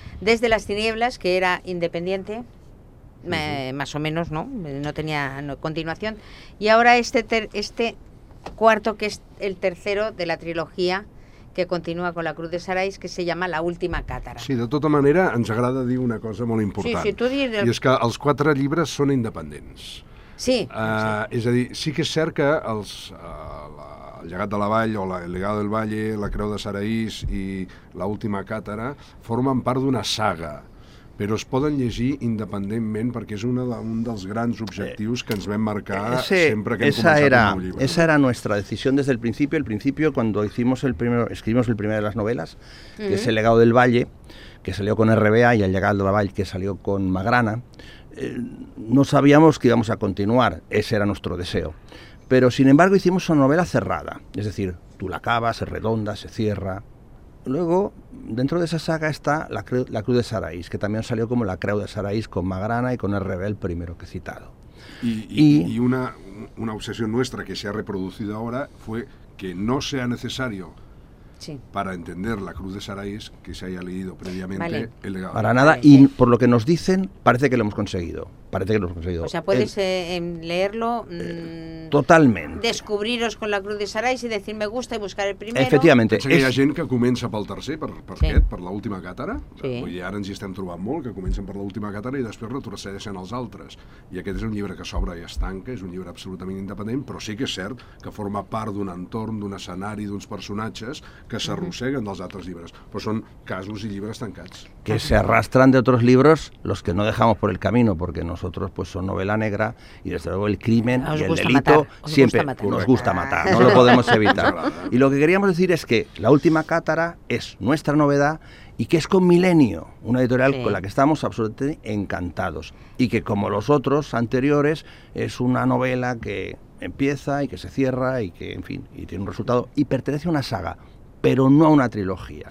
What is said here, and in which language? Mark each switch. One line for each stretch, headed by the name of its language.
Spanish: Desde las tinieblas, que era independiente... más o menos, ¿no? No tenía continuación. Y ahora este cuarto, que es el tercero de la trilogía, que continúa con la Cruz de Sarais, que se llama La última cátara.
Catalan: Sí, de tota manera, ens agrada dir una cosa molt important. Sí, sí, tu dir... I és que els quatre llibres són independents. Sí. És a dir, sí que és cert que els... El llegat de la Vall, o El legado del Valle, La creu de Sarais i La última cátara formen part d'una saga, però es poden llegir independentment, perquè és un dels grans objectius que ens vam marcar sempre que hem començat el nou llibre.
Spanish: Esa era nuestra decisión desde el principio. El principio, cuando escribimos el primer de las novelas, mm-hmm, que es El legado del Valle, que salió con RBA, y El llegado de la Vall, que salió con Magrana, no sabíamos que íbamos a continuar. Ese era nuestro deseo. Pero, sin embargo, hicimos una novela cerrada. Es decir, tú la acabas, se redonda, se cierra. Luego, dentro de esa saga está la Cruz de Sarais, que también salió como La creu de Sarais con Magrana y con RB, el primero que he citado. Y una obsesión nuestra que se ha reproducido ahora fue que no sea necesario, sí, para entender La Cruz de Sarais, que se haya leído previamente, vale, el legado. Para nada, y por lo que nos dicen, parece que lo hemos conseguido. Parece que lo hemos conseguido. O sea, puedes leerlo... totalmente. Descubriros con La Cruz de Sarais y decir, me gusta, y buscar el primero. Efectivamente.
Catalan: Pensa que hi ha gent que comença pel tercer, per sí, aquest, per l'última càtara. Sí. I ara ens hi estem trobant molt, que comencen per l'última càtara i després retrocedeixen els altres. I aquest és un llibre que s'obre i es tanca, és un llibre absolutament independent, però sí que és cert que forma part d'un entorn, d'un escenari, d'uns personatges que s'arrosseguen, uh-huh, dels altres llibres. Però són casos i llibres tancats.
Spanish: Que se arrastran de otros libros los que no dejamos por el camino, porque nosotros pues son novela negra y desde luego el crimen y el delito siempre nos gusta matar, no lo podemos evitar. Y lo que queríamos decir es que La última cátara es nuestra novedad y que es con Milenio, una editorial, sí, con la que estamos absolutamente encantados y que, como los otros anteriores, es una novela que empieza y que se cierra y que, en fin, y tiene un resultado y pertenece a una saga, pero no a una trilogía.